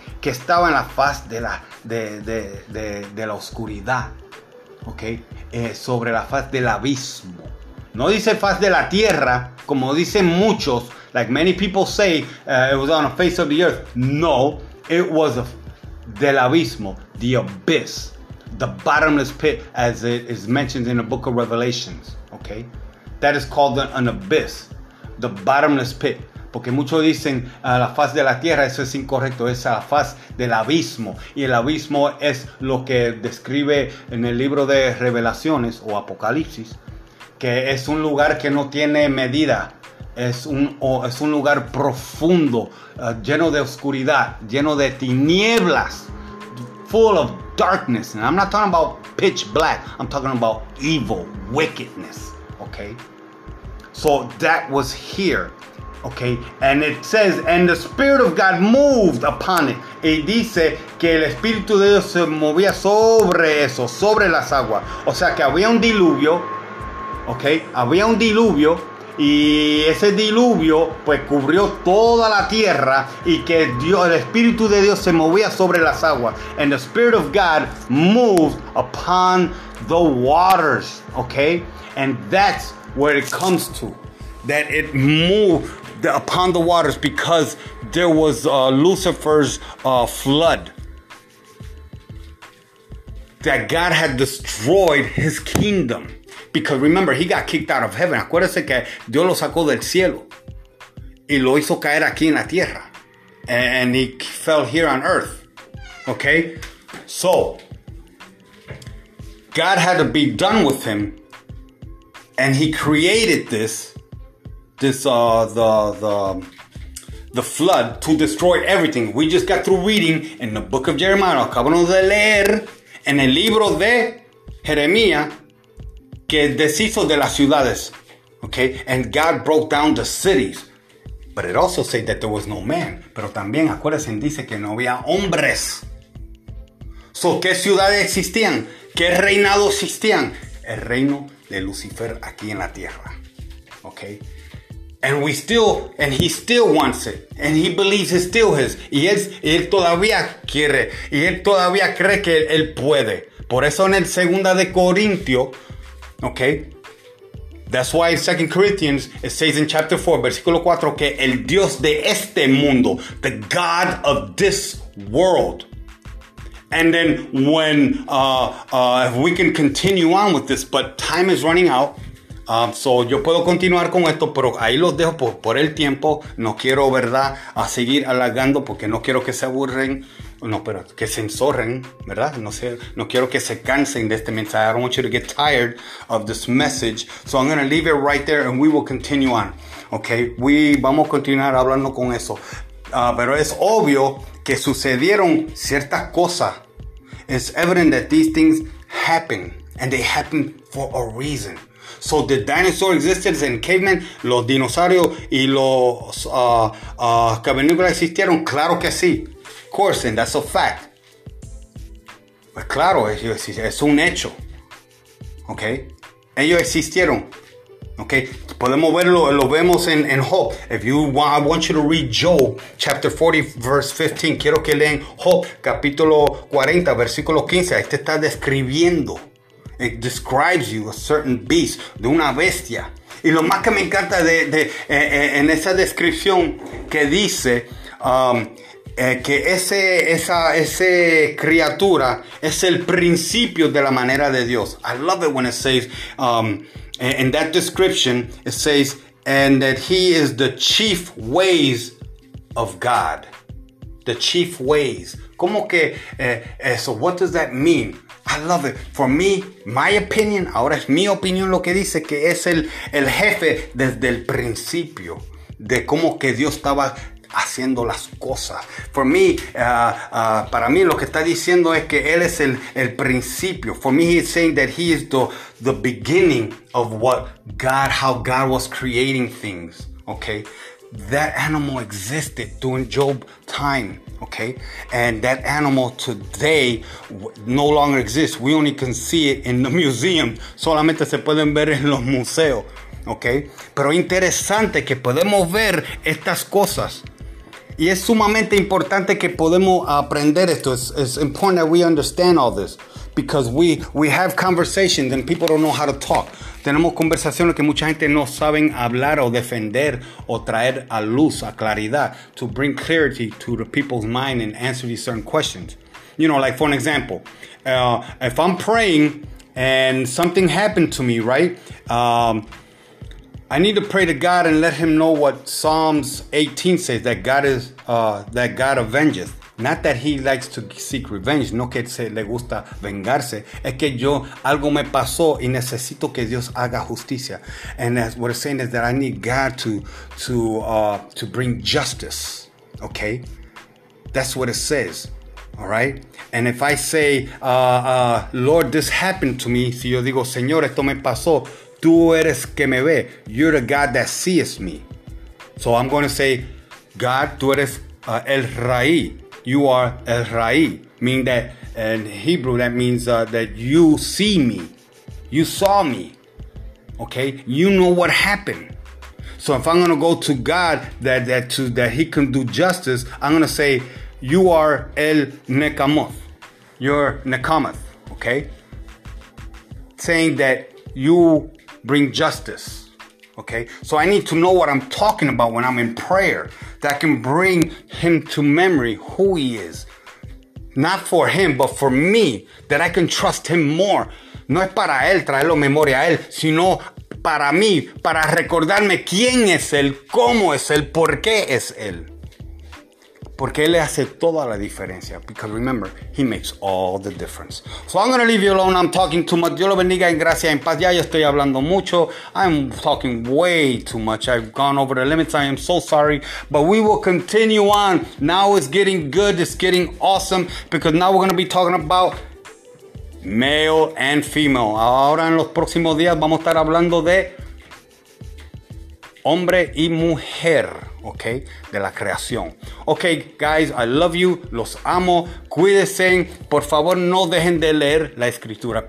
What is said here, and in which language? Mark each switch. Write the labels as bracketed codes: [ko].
[es] Que estaba en la faz de la oscuridad, ¿ok? Sobre la faz del abismo. No dice faz de la tierra, como dicen muchos, [en] like many people say, it was on the face of the earth. No, it was [es] del abismo, [en] the abyss, the bottomless pit, as it is mentioned in the book of Revelations, ¿ok? That is called an abyss, the bottomless pit. [es] Porque muchos dicen la faz de la tierra, eso es incorrecto, es la faz del abismo. Y el abismo es lo que describe en el libro de Revelaciones o Apocalipsis, que es un lugar que no tiene medida, es un lugar profundo, lleno de oscuridad, lleno de tinieblas, [en] full of darkness. And I'm not talking about pitch black, I'm talking about evil, wickedness, okay? So that was here. Okay, and it says, and the Spirit of God moved upon it. [es] Y dice que el Espíritu de Dios se movía sobre eso, sobre las aguas. O sea que había un diluvio, okay, había un diluvio, y ese diluvio pues cubrió toda la tierra, y que Dios, el Espíritu de Dios se movía sobre las aguas. [en] And the Spirit of God moved upon the waters, okay, and that's where it comes to, that it moved upon the waters because there was Lucifer's flood, that God had destroyed his kingdom, because remember, he got kicked out of heaven. [es] Acuérdese que Dios lo sacó del cielo y lo hizo caer aquí en la tierra, [en] and he fell here on earth. Okay, so God had to be done with him, and he created the flood to destroy everything. We just got through reading in the book of Jeremiah. [es] Acabamos de leer en el libro de Jeremías que deshizo de las ciudades. [en] Okay? And God broke down the cities. But it also said that there was no man. [es] Pero también, acuérdense, dice que no había hombres. So, ¿qué ciudades existían? ¿Qué reinados existían? El reino de Lucifer aquí en la tierra. [en] Okay? And we still, and he still wants it. And he believes it's still his. [es] Y él todavía quiere. Y él todavía cree que él puede. Por eso en el segunda de Corintio, okay? [en] That's why in 2 Corinthians, it says in chapter 4, [es] versículo 4, que el Dios de este mundo, [en] the God of this world. And then when, if we can continue on with this, but time is running out. [es] So yo puedo continuar con esto, pero ahí los dejo por el tiempo. No quiero, ¿verdad?, a seguir alargando, porque no quiero que se aburren, no, pero que se ensorren, ¿verdad? No sé, no quiero que se cansen de este mensaje. [en] I don't want you to get tired of this message. So I'm going to leave it right there and we will continue on. Okay, [es] vamos a continuar hablando con eso. Pero es obvio que sucedieron ciertas cosas. [en] It's evident that these things happen, and they happen for a reason. So the dinosaur existed in cavemen, [es] los dinosaurios y los cavernícolas existieron, claro que sí. [en] Of course, and that's a fact. [es] Pues claro, es un hecho. Okay? Ellos existieron. Okay? Podemos verlo, lo vemos en Job. [en] If you want, I want you to read Job chapter 40 verse 15. [es] Quiero que lean Job capítulo 40 versículo 15. Este está describiendo. [en] It describes you a certain beast, [es] de una bestia. Y lo más que me encanta en esa descripción que dice que esa criatura es el principio de la manera de Dios. [en] I love it when it says in that description it says and that he is the chief ways of God. The chief ways. [es] ¿Cómo que eso? [en] What does that mean? I love it. For me, my opinion, [es] ahora es mi opinión lo que dice, que es el jefe desde el principio, de cómo que Dios estaba haciendo las cosas. [en] For me, [es] para mí lo que está diciendo es que él es el principio. [en] For me, he's saying that he is the beginning of what God, how God was creating things, okay? That animal existed during Job time, okay? And that animal today no longer exists. We only can see it in the museum. [es] Solamente se pueden ver en los museos, okay? Pero interesante que podemos ver estas cosas. Y es sumamente importante que podemos aprender esto. [en] It's important that we understand all this. Because we have conversations and people don't know how to talk. [es] Tenemos conversaciones que mucha gente no saben hablar o defender o traer a luz, a claridad, [en] to bring clarity to the people's mind and answer these certain questions. You know, like for an example, if I'm praying and something happened to me, right? I need to pray to God and let him know what Psalms 18 says, that God is that God avenges. Not that he likes to seek revenge, [es] no que se le gusta vengarse. Es que yo, algo me pasó y necesito que Dios haga justicia. [en] And as we're saying is that I need God to bring justice, okay? That's what it says, all right? And if I say, Lord, this happened to me, [es] si yo digo, Señor, esto me pasó, tú eres que me ve, [en] you're the God that sees me. So I'm going to say, God, [es] tú eres el Raí. [en] You are El Ra'i, meaning that in Hebrew, that means that you see me, you saw me, okay? You know what happened. So if I'm going to go to God that he can do justice, I'm going to say, you are El Nekamoth, you're Nekamoth, okay? Saying that you bring justice, okay? So I need to know what I'm talking about when I'm in prayer. That can bring him to memory who he is. Not for him, but for me. That I can trust him more. [es] No es para él traerlo memoria a él, sino para mí, para recordarme quién es él, cómo es él, por qué es él. Porque él le hace toda la diferencia. [en] Because remember, he makes all the difference. So I'm going to leave you alone. I'm talking too much. [es] Dios lo bendiga en gracia, en paz. Ya yo estoy hablando mucho. [en] I'm talking way too much. I've gone over the limits. I am so sorry. But we will continue on. Now it's getting good. It's getting awesome. Because now we're going to be talking about male and female. [es] Ahora en los próximos días vamos a estar hablando de hombre y mujer. Okay, de la creación. [en] Okay, guys, I love you. [es] Los amo. Cuídense. Por favor, no dejen de leer la escritura.